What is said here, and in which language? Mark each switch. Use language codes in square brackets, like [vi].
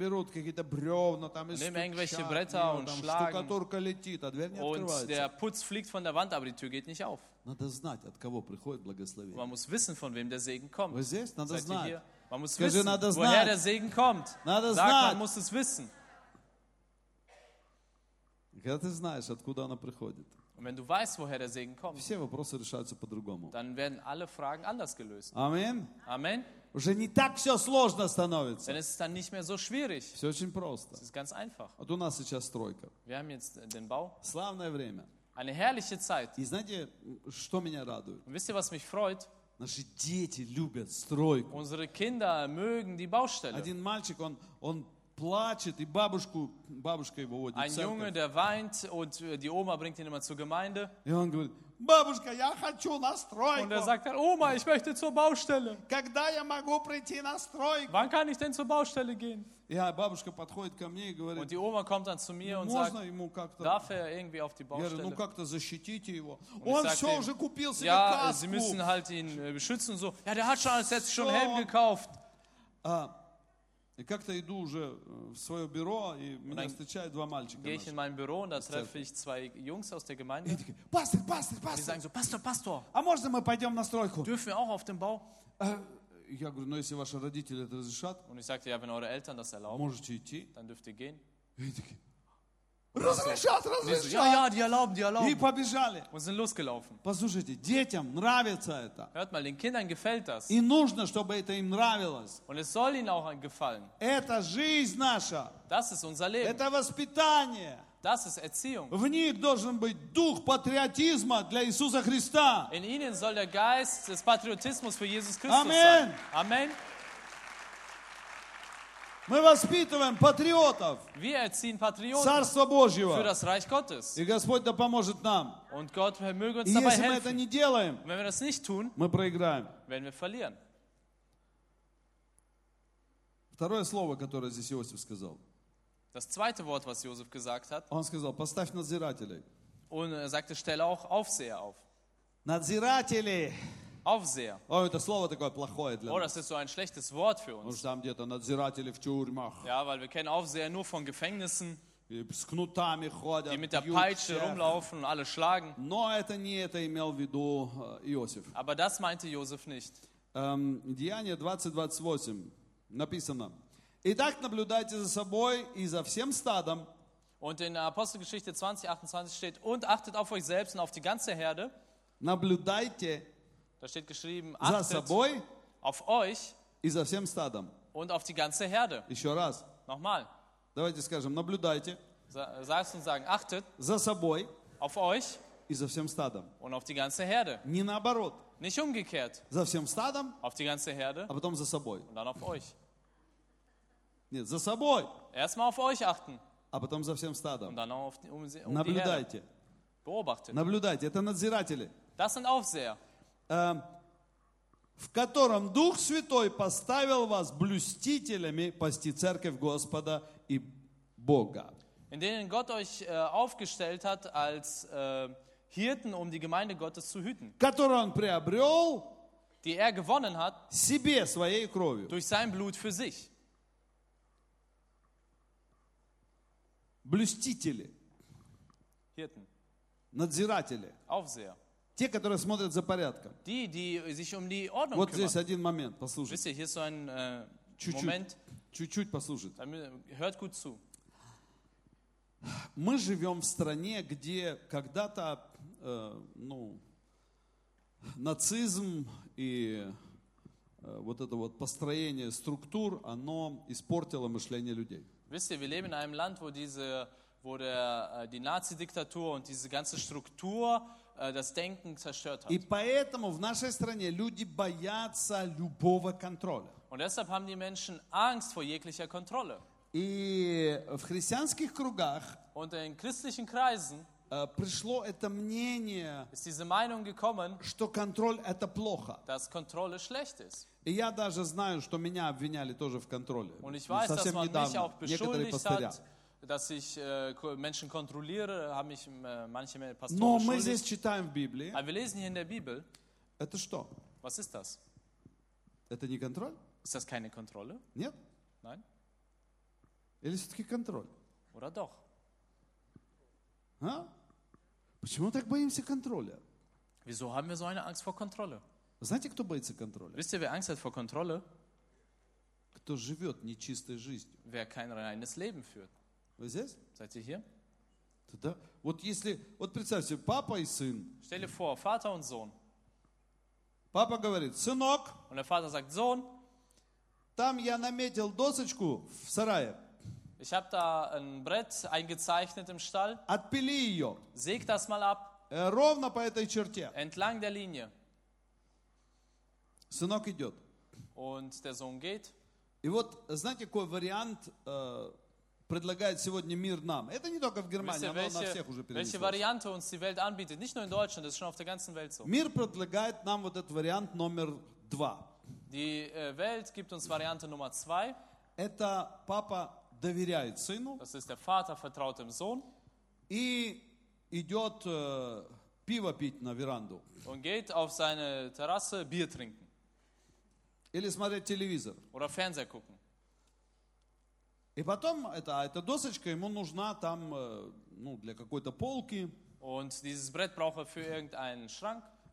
[de] Nehmen irgendwelche Bretter und schlagen. Und der Putz fliegt von der Wand, aber die Tür geht nicht auf. Man muss wissen, von wem der Segen kommt. Seid ihr hier? Man muss wissen, woher der Segen kommt. Sag, man muss es wissen. [ru] Когда ты знаешь, откуда она приходит, [de] und wenn du weißt, woher der Segen kommt, [ru] все вопросы решаются по-другому. [de] Dann werden alle Fragen anders gelöst. Amen. Amen. [ru] Уже не так все сложно становится. [de] Denn es ist dann nicht mehr so schwierig. [ru] Все очень просто. [de] Es ist ganz einfach. [ru] Вот у нас сейчас стройка. [de] Wir haben jetzt den Bau. [ru] Славное время. [de] Eine herrliche Zeit. [ru] И знаете, что меня радует? [de] Und wisst ihr, was mich freut? [ru] Наши дети любят стройку. [de] Unsere Kinder mögen die Baustelle. [ru] Один мальчик, он плачет, и бабушка его водит. [de] Ein Junge, der weint, und die Oma bringt ihn immer zur Gemeinde. [ru] И он говорит, бабушка, я хочу на стройку. [de] Und er sagt, Oma, ich möchte zur Baustelle. [ru] Когда я могу прийти на стройку? [de] Wann kann ich denn zur Baustelle gehen? [ru] И бабушка подходит ко мне и говорит, [de] und die Oma kommt dann zu mir und [ru] можно [de] sagt, [ru] ему как-то, [de] darf er irgendwie auf die Baustelle? [ru] Я говорю, ну как-то защитите его. Он все [de] ihm, [ru] уже купил себе [de] ja, [ru] каску. [de] Sie müssen halt ihn beschützen. So. Ja, der hat schon, alles, jetzt schon Helm gekauft. [ru] И как-то иду уже в свое бюро, и меня встречают два мальчика. [de] Gehe ich in mein Büro, und da treffe ich zwei Jungs aus der Gemeinde. [ru] Pastor, Pastor, Pastor. [de] Die sagen so, Pastor, Pastor. [ru] А можно мы пойдем на стройку? [de] Dürfen wir auch auf den Bau? [ru] Я говорю, ну если ваши родители это разрешат. [de] Und ich sagte, ja, wenn eure Eltern das erlauben. [ru] Можете идти. [de] Dann dürft ihr gehen. [ru] Разрешат, разрешат. [de] Ja, ja, die erlauben, die erlauben. [ru] И побежали. [de] Und sind losgelaufen. [ru] Послушайте, детям нравится это. [de] Hört mal, den Kindern gefällt das. [ru] И нужно, чтобы это им нравилось. [de] Und es soll ihnen auch gefallen. [ru] Это жизнь наша. [de] Das ist unser Leben. [ru] Это воспитание. [de] Das ist Erziehung. [ru] В них должен быть дух патриотизма для Иисуса Христа. [de] In ihnen soll der Geist des Patriotismus für Jesus Christus sein. Amen. [ru] Мы воспитываем патриотов. [de] Wir erziehen Patrioten. [ru] Царство Божьего. [de] Für das Reich Gottes. [ru] И Господь да поможет нам. [de] Und Gott möge uns [ru] и [de] dabei [ru] если [de] helfen. [ru] Мы это не делаем, [de] wenn wir das nicht tun, [ru] мы проиграем. [de] Werden wir verlieren. [ru] Второе слово, которое здесь Иосиф сказал. [de] Das zweite Wort, was Josef gesagt hat. [ru] Он сказал, поставь надзирателей. [de] Und er sagte, stell auch Aufseher auf. [ru] Надзиратели. [de] Aufseher. [ru] О, это слово такое плохое для [de] oh, das ist so ein schlechtes Wort für uns. [ru] Мы ждем где-то надзиратели в тюрьмах. [de] Ja, weil wir kennen Aufseher nur von Gefängnissen. [ru] С кнутами ходят. [de] Die mit der Peitsche rumlaufen und alle schlagen. [ru] Но это не это имел в виду Иосиф. [de] Aber das meinte Josef nicht. [ru] Деяние 20:28 написано. Итак, наблюдайте за собой и за всем стадом. [de] Und in Apostelgeschichte 20:28 steht, und achtet auf euch selbst und auf die ganze Herde. [ru] Наблюдайте. [de] Da steht geschrieben, achtet [ru] за собой, [de] auf euch [ru] и за всем стадом. [de] Und auf die ganze Herde. [ru] Еще раз. [de] Nochmal. [ru] Давайте скажем, наблюдайте. [de] Sagst und sagen, achtet [ru] за собой, [de] auf euch [ru] и за всем стадом. [de] Und auf die ganze Herde. [ru] Не наоборот. [de] Nicht umgekehrt. [ru] За всем стадом, [de] auf die ganze Herde. [ru] А потом за собой. [de] Und dann auf euch. [ru] Нет, за собой. [de] Erstmal auf euch achten. [ru] А потом за всем стадом. [de] Und dann auf die, [ru] наблюдайте. [de] Die Beobachtet. [ru] Наблюдайте. Это надзиратели. [de] Das sind Aufseher. [ru] В котором Дух Святой поставил вас блюстителями пасти церковь Господа и Бога. [de] In denen Gott euch aufgestellt hat als Hirten, um die Gemeinde Gottes zu hüten. [ru] Который он приобрел, [de] die er gewonnen hat, [ru] себе, своей кровью. [de] Durch sein Blut für sich. [ru] Блюстители. [de] Hirten. [ru] Надзиратели. [de] Aufseher. [ru] Те, которые смотрят за порядком. [de] Die, die sich um die Ordnung [ru] вот [de] kümmern. [ru] Здесь один момент, послушайте. [de] Wisst ihr, hier ist so ein, [ru] чуть-чуть, [de] Moment. [ru] Чуть-чуть послушайте. [de] Hört gut zu. [ru] Мы живем в стране, где когда-то ну, нацизм и вот это вот построение структур, оно испортило мышление людей. [de] Wisst ihr, wir leben in einem Land, wo die Nazi-Diktatur und diese ganze Struktur das Denken zerstört hat. [ru] И поэтому в нашей стране люди боятся любого контроля. [de] Und deshalb haben die Menschen Angst vor jeglicher Kontrolle. [ru] И в христианских кругах [de] und in christlichen Kreisen [ru] пришло это мнение, [de] ist diese Meinung gekommen, [ru] что контроль это плохо. [de] Dass Kontrolle schlecht ist. [ru] И я даже знаю, что меня обвиняли тоже в контроле. [de] Und ich weiß, [ru] совсем [de] dass [ru] недавно, [de] mich auch [ru] некоторые пастыря. [de] Dass ich Menschen kontrolliere, haben mich manche Pastoren [ru] Но мы здесь читаем в Библии. [de] Aber wir lesen hier in der Bibel. [ru] Это что? [de] Was ist das? [ru] Это не контроль? [de] Ist das keine Kontrolle? [ru] Нет? [de] Nein? [ru] Или все-таки контроль? [de] Oder doch? [ru] А? Почему так боимся контроля? [de] Wieso haben wir so eine Angst vor Kontrolle? [ru] Знаете, кто боится контроля? [de] Wisst ihr, wer Angst hat vor Kontrolle? [ru] Кто живет нечистой жизнью? [de] Wer kein reines Leben führt. [ru] Вы здесь? [de] Seid ihr hier? [ru] Тогда, вот если, вот представьте, папа и сын. [de] Stell dir vor, Vater und Sohn. [ru] Папа говорит, сынок. [de] Und der Vater sagt, Sohn. [ru] Там я наметил досочку в сарае. [de] Ich habe da ein Brett eingezeichnet im Stall. [ru] Отпили ее. [de] Säg das mal ab. [ru] Ровно по этой черте. [de] Entlang der Linie. [ru] Сынок идет. [de] Und der Sohn geht. [ru] И вот, знаете, какой вариант... предлагает сегодня мир нам. Это не только в Германии, оно на всех уже перенеслось. [de] Welche Variante uns die Welt anbietet, nicht nur in Deutschland, das ist schon auf der ganzen Welt so. [ru] Мир предлагает нам вот этот вариант номер два. [de] Die Welt gibt uns Variante Nummer zwei. [ru] Это папа доверяет сыну. [de] Das ist der Vater vertraut dem Sohn. [ru] И идет пиво пить на веранду. [de] Und geht auf seine Terrasse Bier trinken. [ru] Или смотреть телевизор. [de] Oder Fernseher gucken. [ru] И потом эта досочка ему нужна там, ну, для какой-то полки. [de] Und dieses Brett braucht er für irgendeinen Schrank,